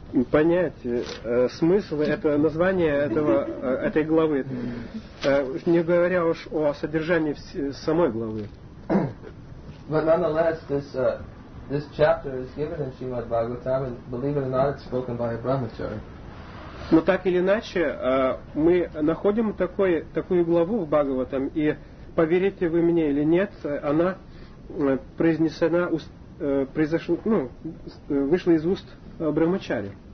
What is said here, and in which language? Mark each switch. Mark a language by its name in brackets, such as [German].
[Russian] понять смысл этого названия этого, этой главы, не говоря уж о содержании самой главы. [English] But nonetheless, this chapter is given in Srimad Bhagavatam, and believe it or not, it's spoken by a brahmachari. [Russian] Но так или иначе, мы находим такую главу в Бхагаватам, и поверите вы мне или нет, она произнесена, произошла, ну, вышла из уст брахмачари.